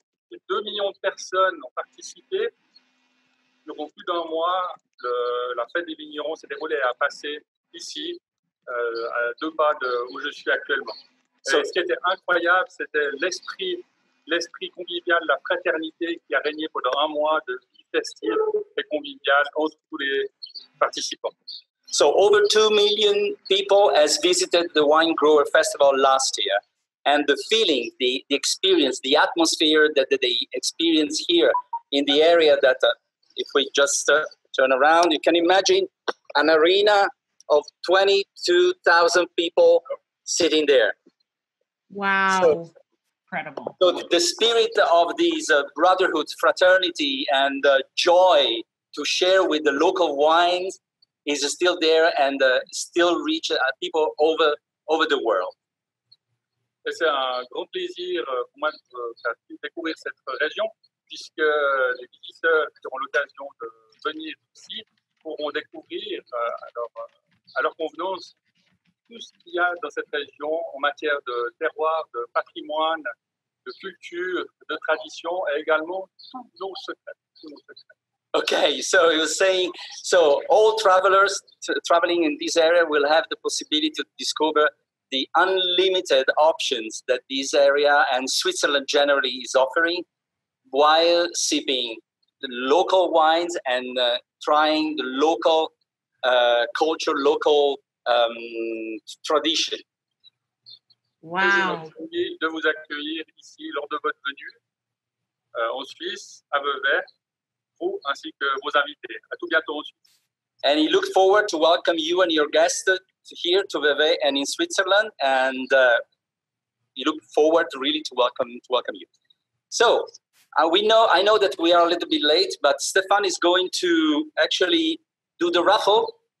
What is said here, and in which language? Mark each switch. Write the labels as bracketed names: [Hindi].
[French] 2 millions de personnes ont participé. Durant plus d'un mois, la fête des vignerons s'est déroulée à Passé, ici, à deux pas de où je suis actuellement. So, ce qui était incroyable, c'était l'esprit convivial, la fraternité qui a régné pendant un mois de vie festive et conviviale entre tous les participants. [English] So over 2 million people has visited the Wine Grower Festival last year. And the feeling, the experience, the atmosphere that they experience here in the area that if we just turn around, you can imagine an arena of 22,000 people sitting there. Wow. So, incredible. So the spirit of these brotherhood, fraternity, and joy to share with the local wines is still there and still reach people over the world. [French] Et c'est un grand plaisir pour moi de faire découvrir cette région, puisque les visiteurs qui auront l'occasion de venir ici pourront découvrir à leur convenance tout ce qu'il y a dans cette région en matière de terroir, de patrimoine, de culture, de tradition, et également tous nos secrets. [English] Okay, so you're saying, so all travelers traveling in this area will have the possibility to discover the unlimited options that this area and Switzerland generally is offering while sipping the local wines and trying the local culture, local tradition. Wow. [French] De vous accueillir ici lors de votre venue en Suisse, à Vevey, vous ainsi que vos invités. À tout bientôt en Suisse. [English] And he looked forward to welcome you and your guests here to Vevey and in Switzerland, and you look forward really to welcome you. So I know that we are a little bit late, but Stefan is going to actually do the raffle.